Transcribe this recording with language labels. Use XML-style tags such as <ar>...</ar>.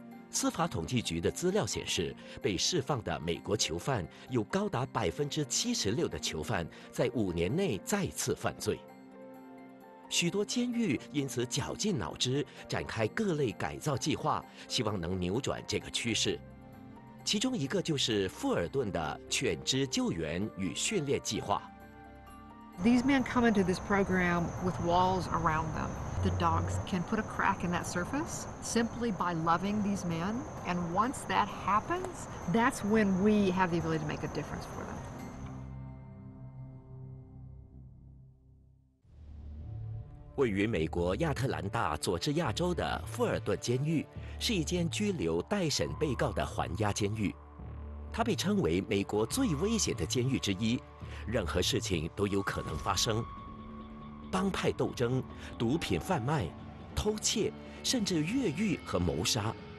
<zh>司法统计局的资料显示，被释放的美国囚犯有高达76%的囚犯在5年内再次犯罪。许多监狱因此绞尽脑汁展开各类改造计划，希望能扭转这个趋势。其中一个就是富尔顿的犬只救援与训练计划。</zh> <en>These men come into this program with walls around them. The dogs can put a crack in that surface simply by loving these men. And once that happens, that's when we have the ability to make a difference for them.</en> <zh>位于美国亚特兰大佐治亚州的富尔顿监狱是一间拘留待审被告的环押监狱，它被称为美国最危险的监狱之一。任何事情都有可能发生，帮派斗争、毒品贩卖、偷窃，甚至越狱和谋杀。</zh>